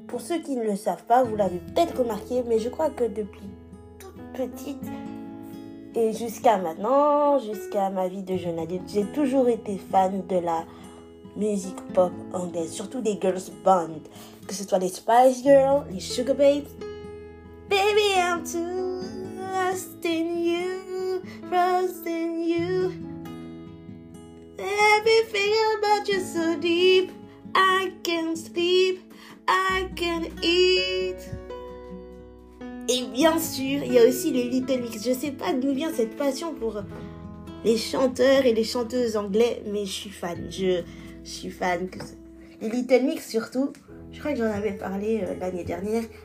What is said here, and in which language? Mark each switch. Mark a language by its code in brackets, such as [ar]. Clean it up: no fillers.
[fr] Ceux qui ne le savent pas, vous l'avez peut-être remarqué, mais je crois que depuis toute petite et jusqu'à maintenant, jusqu'à ma vie de jeune adulte, j'ai toujours été fan de la musique pop anglaise, surtout des girls band, que ce soit les Spice Girls, les Sugar Babes. [en] Baby, I'm too lost in you, lost in you. Everything about you so deep, I can't sleep. I can eat. [fr] Et bien sûr, il y a aussi les Little Mix. Je sais pas d'où vient cette passion pour les chanteurs et les chanteuses anglais, mais je suis fan. Je suis fan. Les Little Mix surtout, je crois que j'en avais parlé l'année dernière.